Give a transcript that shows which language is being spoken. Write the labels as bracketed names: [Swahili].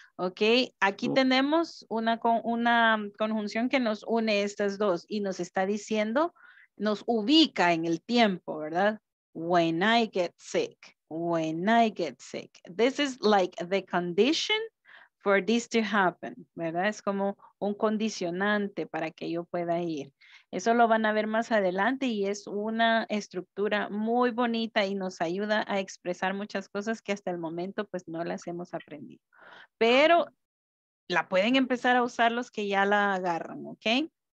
[Spanish] Ok, aquí tenemos una conjunción que nos une estas dos y nos está diciendo, nos ubica en el tiempo, ¿verdad? [English] When I get sick, when I get sick. This is like the condition for this to happen, [Spanish] ¿verdad? Es como un condicionante para que yo pueda ir. Eso lo van a ver más adelante y es una estructura muy bonita y nos ayuda a expresar muchas cosas que hasta el momento pues no las hemos aprendido. Pero la pueden empezar a usar los que ya la agarran, ¿ok?